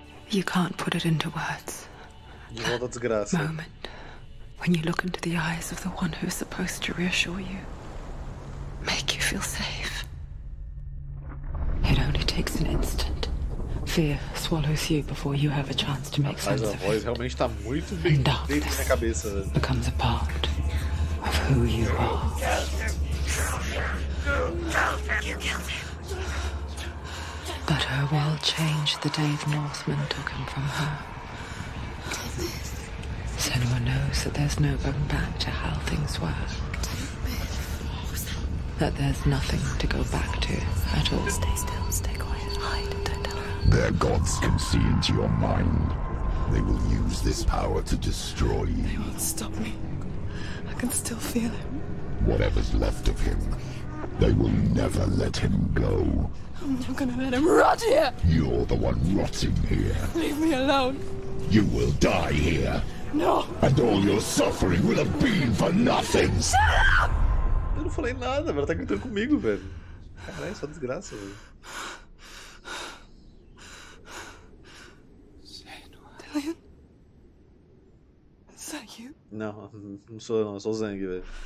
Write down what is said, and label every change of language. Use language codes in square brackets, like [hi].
[en] You can't put it into words. Oh, that's grass. Moment when you look into the eyes of the one who is supposed to reassure you, make you feel safe. It only takes an instant. Fear swallows you before you have a chance to make sense of it. [pt] Realmente tá muito bem dentro da minha cabeça. [en] Becomes a part of who you are. But her world changed the day the Northman took him from her. Senua knows that there's no going back to how things were. That there's nothing to go back to at all. Stay still, stay quiet, hide. Their gods can see into your mind. They will use this power to destroy you. They won't stop me. I can still feel him. Whatever's left of him, they will never let him go. I'm not gonna let him rot here. You're the one rotting here. Leave me alone. You will die here. No. And all your suffering will have been for nothing. Shut up! [pt] Eu não falei nada, velho. Tá gritando comigo, velho. Caralho, só desgraça, velho. Não, não sou eu, não, eu sou o Zhang, velho.